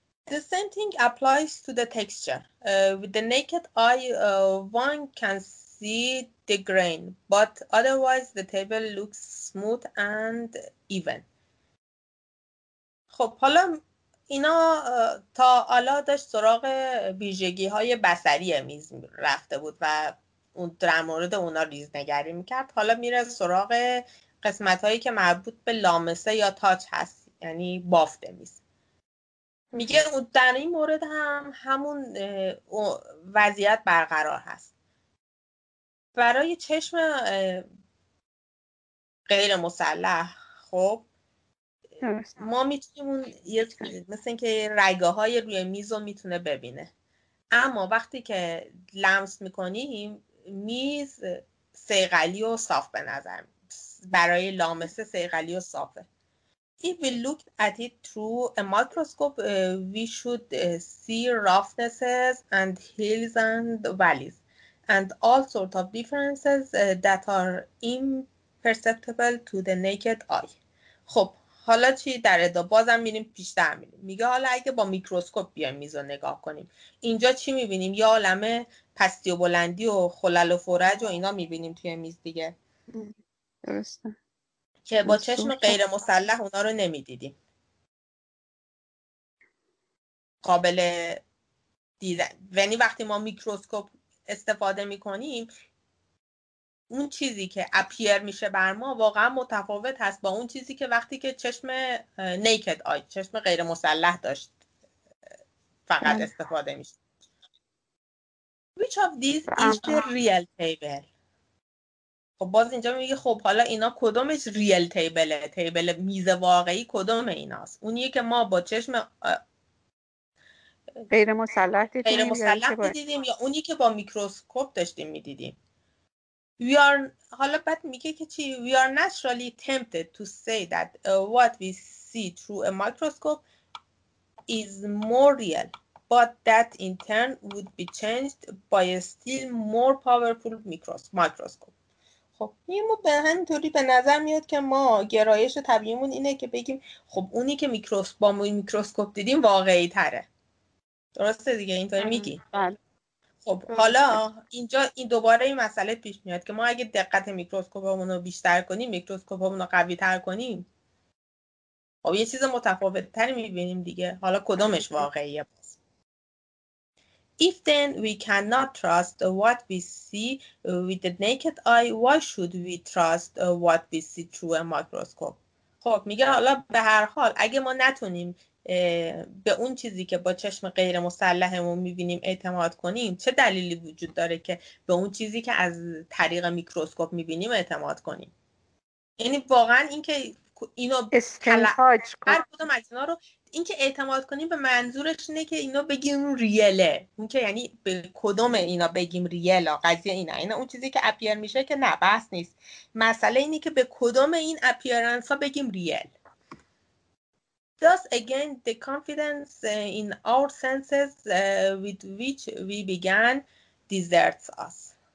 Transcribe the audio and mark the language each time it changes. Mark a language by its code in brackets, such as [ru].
[en] The same thing applies to the texture. With the naked eye, one can see the grain, but otherwise the table looks smooth and even. [fa] خب حالا اینا تا حالا داشت سراغ ویژگی های بصری میز رفته بود و اون در مورد اونا ریزنگری میکرد. حالا میره سراغ قسمت هایی که مربوط به لامسه یا تاچ هست، یعنی بافت میز. میگه در این مورد هم همون وضعیت برقرار هست. برای چشم غیر مسلح، خب ما میتونیم اون مثل این که رگه های روی میز رو میتونه ببینه، اما وقتی که لمس میکنیم میز صیقلی و صاف به نظر میاد. برای لامسه صیقلی و صافه. [en] If we looked at it through a microscope, we should see roughnesses and hills and valleys and all sorts of differences that are imperceptible to the naked eye. [fa] خب حالا چی در ادا بازم میریم پیشتر میریم. میگه حالا اگه با میکروسکوپ بیایم میز رو نگاه کنیم اینجا چی میبینیم؟ یا عالمه پستی و بلندی و خلل و فرج و اینا میبینیم توی میز دیگه، درسته، که با چشم غیر مسلح اونا رو نمیدیدیم، قابل دیدن. یعنی وقتی ما میکروسکوپ استفاده میکنیم اون چیزی که اپیر میشه بر ما واقعا متفاوت هست با اون چیزی که وقتی که چشم نیکد آی، چشم غیر مسلح داشت فقط استفاده میشه. [en] Which of these is the real table؟ [fa] خب باز اینجا میگه خب حالا اینا کدومش ریل تیبله، تیبل میز واقعی کدوم ایناست؟ اونیه که ما با چشم غیر مسلح دیدیم، غیر مسلح دیدیم، یا اونی که با میکروسکوپ داشتیم میدیدیم. [en] We are [fa] حالا بعد میگه که چی؟ [en] We are naturally tempted to say that what we see through a microscope is more real, but that in turn would be changed by a still more powerful microscope. [fa] خب به همینطوری به نظر میاد که ما گرایش طبیعیمون اینه که بگیم خب اونی که با میکروسکوپ دیدیم واقعی تره، درسته دیگه؟ اینطوری میگی؟ خب حالا اینجا این دوباره این مسئله پیش میاد که ما اگه دقت میکروسکوپمون رو بیشتر کنیم، میکروسکوپمون رو قوی تر کنیم، خب یه چیز متفاوت تر میبینیم دیگه. حالا کدومش واقعیه؟ [en] If then we cannot trust what we see with the naked eye, why should we trust what we see through a microscope? [fa] خب میگه حالا به هر حال اگه ما نتونیم به اون چیزی که با چشم غیر مسلحمون میبینیم اعتماد کنیم، چه دلیلی وجود داره که به اون چیزی که از طریق میکروسکوپ میبینیم اعتماد کنیم؟ یعنی واقعا این که اینو استنتاج هر کدوم از اینا رو این که اعتماد کنیم به منظورش اینه که اینا بگیم ریله، اون که یعنی به کدوم اینا بگیم ریلا، قضیه اینه. اینا اون چیزی که اپیر میشه که نه بس نیست، مسئله اینه که به کدوم این اپیرنسا بگیم ریل. [en] Thus again the confidence in our senses with which we began deserts us.